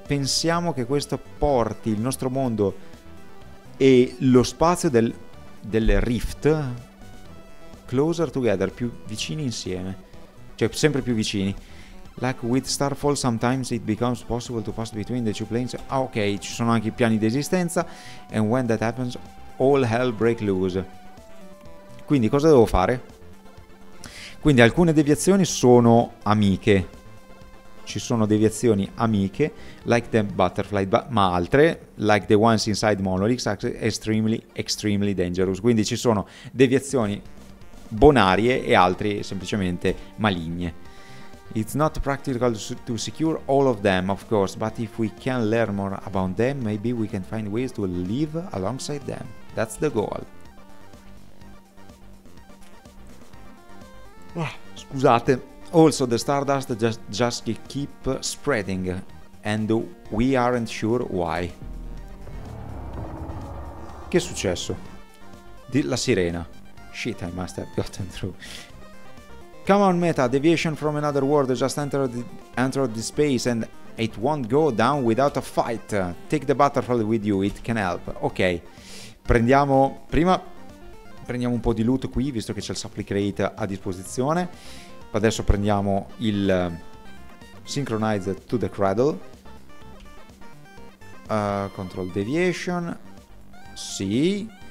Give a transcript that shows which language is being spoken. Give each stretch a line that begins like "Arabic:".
Italian: Pensiamo che questo porti il nostro mondo e lo spazio del rift
English: closer together,
Italian: più vicini insieme, cioè sempre più vicini.
English: Like with Starfall, sometimes it becomes possible to pass between the two planes.
Italian: Ah, ok, ci sono anche i piani di esistenza.
English: And when that happens, all hell break loose.
Italian: Quindi, cosa devo fare? Quindi, alcune deviazioni sono amiche. Ci sono deviazioni amiche,
English: like the butterfly,
Italian: ma altre,
English: like the ones inside Monoliths, are extremely, extremely dangerous.
Italian: Quindi, ci sono deviazioni bonarie e altre semplicemente maligne.
English: It's not practical to secure all of them, of course, but if we can learn more about them, maybe we can find ways to live alongside them. That's the goal.
Italian: Scusate.
English: Also, the stardust just keep spreading, and we aren't sure why.
Italian: Che è successo? La sirena.
English: Shit, I must have gotten through. Come on, Meta, deviation from another world just entered the space and it won't go down without a fight. Take the butterfly with you, it can help.
Italian: Ok, prendiamo un po' di loot qui, visto che c'è il supply crate a disposizione. Adesso prendiamo il
English: Synchronize to the Cradle. Control deviation.
Italian: Sì.